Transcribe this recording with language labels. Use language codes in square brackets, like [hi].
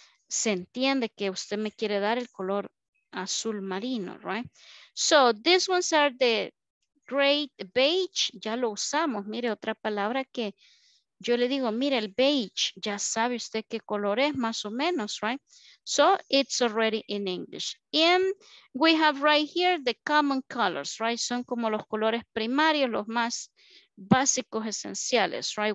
[es] Se entiende que usted me quiere dar el color azul marino, right? [en] So, these ones are the great beige. [es] Ya lo usamos. Mire, otra palabra que yo le digo, mire, el beige. Ya sabe usted qué color es, más o menos, right? [en] So, it's already in English. And we have right here the common colors, right? [es] Son como los colores primarios, los más básicos, esenciales, right?